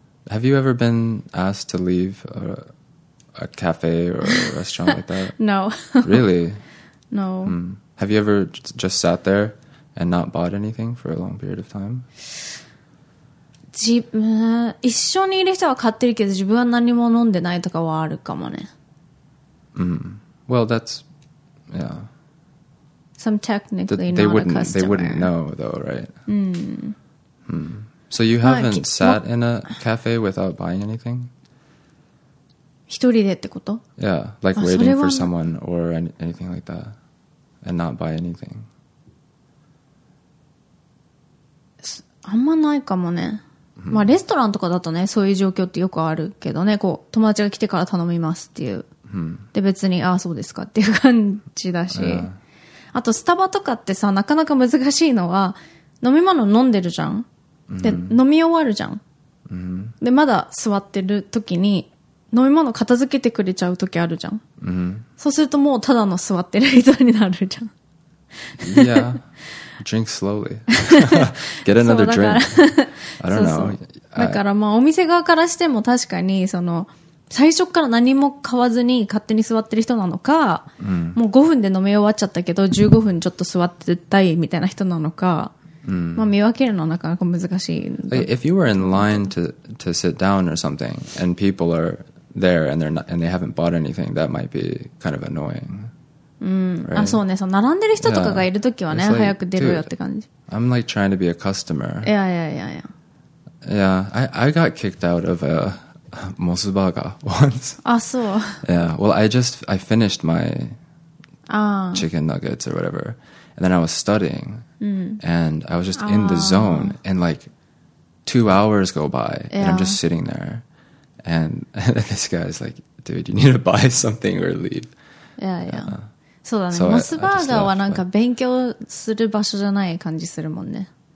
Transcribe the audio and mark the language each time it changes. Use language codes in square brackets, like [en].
[en] Have you ever been asked to leave a cafe or a restaurant like that? No. Really? No. Mm. Have you ever just sat there and not bought anything for a long period of time? [ja] 一緒にいる人は買ってるけど自分は何も飲んでないとかはあるかもね。 [en] Mm. Well, that's yeah. Some technically not a customer. They wouldn't know though, right? Mm. Mm. So you haven't sat in a cafe without buying anything? [ja] 一人でってこと? [en] Yeah, like waiting for someone or anything like that and not buy anything. [ja] あんまないかもね。まあ、レストランとかだとね、そういう状況ってよくあるけどね、こう友達が来てから頼みますっていう、で別にああそうですかっていう感じだし、あとスタバとかってさ、なかなか難しいのは飲み物飲んでるじゃん、で飲み終わるじゃん、でまだ座ってる時に飲み物片付けてくれちゃう時あるじゃん、そうするともうただの座ってる人になるじゃん。 [en] いや、drink slowly. Get another drink. I don't know. [ja] だからまあお店側からしても確かにその最初から何も買わずに勝手に座ってる人なのか、もう5分で飲み終わっちゃったけど15分ちょっと座ってたいみたいな人なのか、まあ見分けるのはなかなか難しい。 [en] If you were in line to sit down or something and people are there and they're not, and they haven't bought anything, that might be kind of annoying. Right. [ja] あ、そうね、その並んでる人とかがいるときはね、 [en] yeah. like, [ja] 早く出るよって感じ。 [en] I'm like trying to be a customer. Yeah, yeah, yeah, yeah. Yeah, I got kicked out of a モスバーガー once. [ja] あ、そう。 [en] Yeah, well, I finished my chicken nuggets or whatever, and then I was studying, and I was just in the zone, and like 2 hours go by, and I'm just sitting there, and this guy's like, dude, you need to buy something or leave. Yeah, yeah. [ja] そうだね、モスバーガーはなんか勉強する場所じゃない感じするもんね。